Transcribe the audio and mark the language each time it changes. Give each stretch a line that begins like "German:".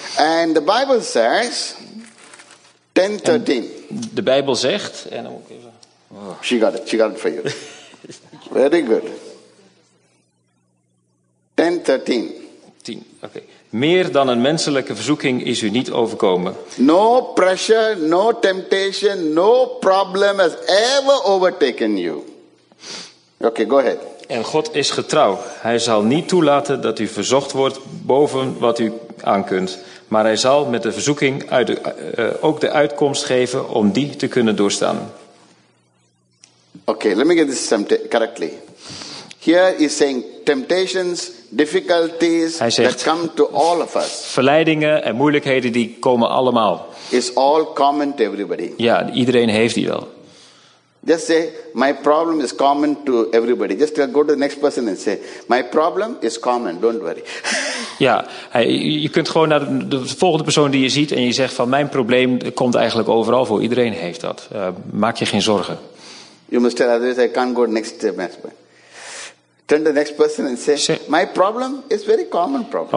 English: And the Bible says 10:13.
Dutch: De Bijbel zegt.
English: She got it for you. Very good. 10:13.
Dutch: 10. Oké. Meer dan een menselijke verzoeking is u niet overkomen.
English: No pressure, no temptation, no problem has ever overtaken you. Okay, go ahead.
Dutch: En God is getrouw. Hij zal niet toelaten dat u verzocht wordt boven wat u aankunt. Maar hij zal met de verzoeking ook de uitkomst geven om die te kunnen doorstaan.
English: Okay, let me get this correctly. Here he's saying temptations, difficulties
Dutch: Hij zegt,
English: that come to all of us.
Dutch: Verleidingen en moeilijkheden die komen allemaal.
English: Is all common to everybody.
Dutch: Ja, iedereen heeft die wel.
English: Just say my problem is common to everybody. Just go to the next person and say my problem is common, don't worry.
Dutch: Ja, je kunt gewoon naar de volgende persoon die je ziet en je zegt van mijn probleem komt eigenlijk overal voor. Iedereen heeft dat. Maak je geen zorgen.
English: You must tell others, I can't go next person. Turn to the next person and say, my problem is very common problem.